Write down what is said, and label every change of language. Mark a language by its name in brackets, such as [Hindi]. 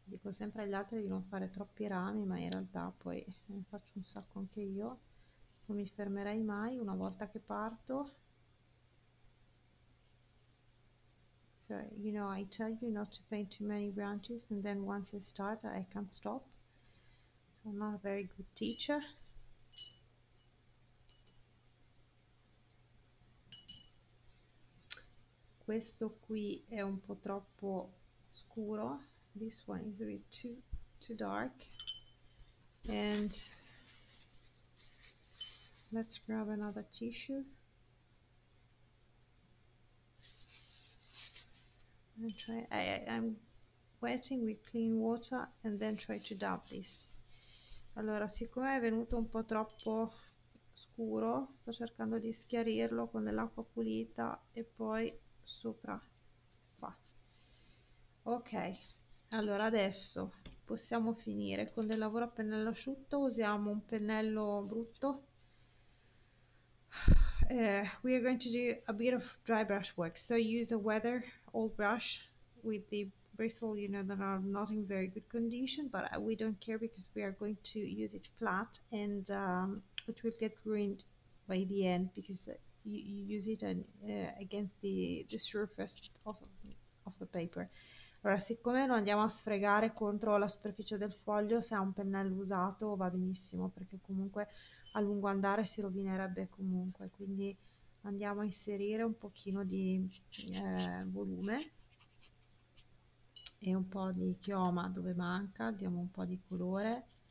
[Italian] sempre agli altri di non fare troppi rami, ma in realtà poi ne faccio un sacco anche io, non mi fermerei mai una volta che parto. [English] So, you know, I tell you not to paint too many branches and then once I start I can't stop. So I'm not a very good teacher. [Italian] Questo qui è un po' troppo scuro. [English] This one is a bit too dark. And let's grab another tissue and try. I'm wetting with clean water and then try to dab this. [Italian] Allora, siccome è venuto un po' troppo scuro, sto cercando di schiarirlo con dell'acqua pulita e poi sopra qua. Ok. Allora, adesso possiamo finire con del lavoro a pennello asciutto. Usiamo un pennello brutto. [English] We are going to do a bit of dry brush work. So use a weather old brush with the bristle, you know, that are not in very good condition, but we don't care because we are going to use it flat and It will get ruined by the end because you use it against the surface of the paper. [Italian] Allora, siccome lo andiamo a sfregare contro la superficie del foglio, se ha un pennello usato va benissimo, perché comunque a lungo andare si rovinerebbe comunque. Quindi andiamo a inserire un pochino di volume e un po' di chioma dove manca, diamo un po' di colore.